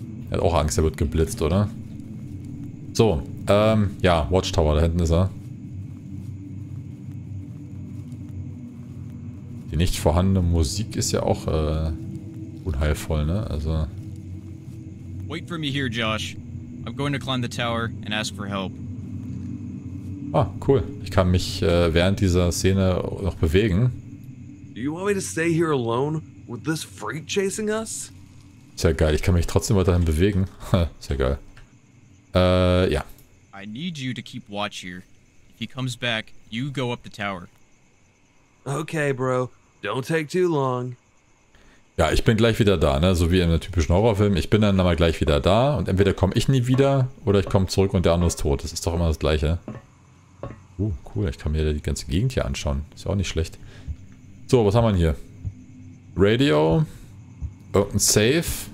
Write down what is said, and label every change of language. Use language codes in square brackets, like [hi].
[de] Er hat auch Angst, er wird geblitzt, oder? So, ja, Watchtower, da hinten ist er. Die nicht vorhandene Musik ist ja auch unheilvoll, ne? Also. [en] Wait for me here, Josh. I'm going to climb the tower and ask for help. [de] Ah, cool. Ich kann mich während dieser Szene noch bewegen. [en] Do you want me to stay here alone with this freak chasing us? [de] Ist ja geil. Ich kann mich trotzdem weiterhin bewegen. Ist ja geil. Ja. [en] I need you to keep watch here. If he comes back, you go up the tower. Okay, bro. Don't take too long. [de] Ja, ich bin gleich wieder da, ne? So wie in einem typischen Horrorfilm. Ich bin dann mal gleich wieder da und entweder komme ich nie wieder oder ich komme zurück und der andere ist tot. Das ist doch immer das Gleiche. Cool. Ich kann mir die ganze Gegend hier anschauen. Ist ja auch nicht schlecht. So, was haben wir hier? Radio. Irgendein Safe.